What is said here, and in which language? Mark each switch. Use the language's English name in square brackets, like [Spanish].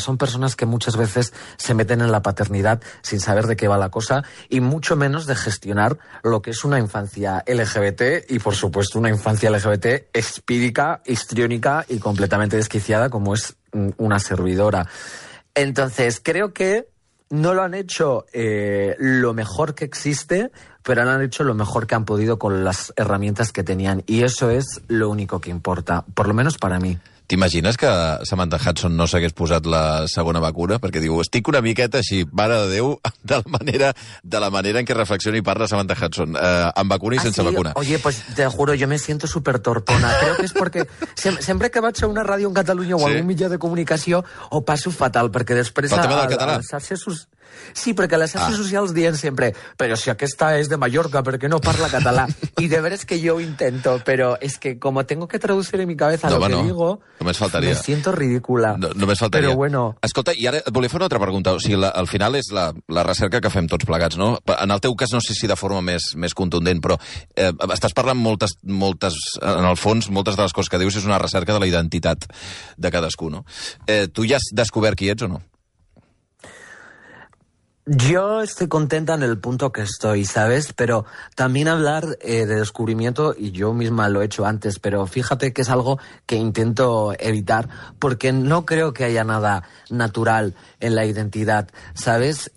[Spanish] Son personas que muchas veces se meten en la paternidad sin saber de qué va la cosa y mucho menos de gestionar lo que es una infancia LGBT y, por supuesto, una infancia LGBT espídica, histriónica y completamente desquiciada, como es una servidora. Entonces, creo que no lo han hecho lo mejor que existe, pero lo han hecho lo mejor que han podido con las herramientas que tenían. Y eso es lo único que importa, por lo menos para mí. [Catalan] T'imagines que Samantha Hudson no s'hagués posat la segona vacuna? Perquè diu, estic una miqueta així, mare de Déu, de la manera en què reflexiona i parla Samantha Hudson, amb vacuna i sense vacuna. [Spanish] Oye, pues te juro, yo me siento súper tortona. Creo que es porque [Catalan] sempre que vaig a una ràdio en Catalunya o algun mitjà de comunicació, ho passo fatal, perquè després... Pel tema del català. Sí, perquè les xarxes socials diuen sempre, però si aquesta és de Mallorca, per què no parla català? I de veres que jo ho intento, però és que com [Spanish] tengo que traducir en mi cabeza lo que digo, [Catalan] només faltaria. [Spanish] Me siento ridícula. [Catalan] Només faltaria. Però bueno... Escolta, i ara et volia fer una altra pregunta. O sigui, al final és la recerca que fem tots plegats, no? En el teu cas no sé si de forma més contundent, però estàs parlant moltes, en el fons, moltes de les coses que dius és una recerca de la identitat de cadascú, no? Tu ja has descobert qui ets o no? [Spanish] Yo estoy contenta en el punto que estoy, ¿sabes? Pero también hablar de descubrimiento, y yo misma lo he hecho antes, pero fíjate que es algo que intento evitar, porque no creo que haya nada natural en la identidad, ¿sabes?